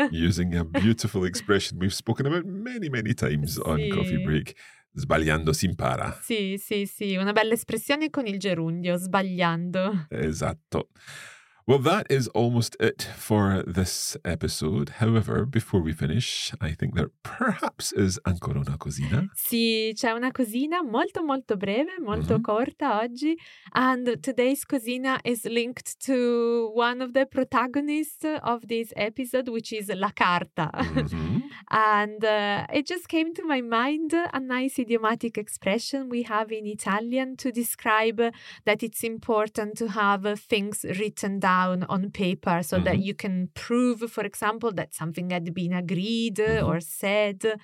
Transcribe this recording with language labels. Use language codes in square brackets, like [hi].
[en] Using a beautiful expression we've spoken about many, many times on Coffee Break. [it] Sbagliando si impara. Sì. Una bella espressione con il gerundio, sbagliando. Esatto. [en] Well, that is almost it for this episode. However, before we finish, I think there perhaps is [it] ancora una cosina. Sì, c'è una cosina molto, molto breve, molto corta oggi. [en] And today's cosina is linked to one of the protagonists of this episode, which is la carta. And it just came to my mind, a nice idiomatic expression we have in Italian to describe that it's important to have things written down on paper so that you can prove, for example, that something had been agreed or said.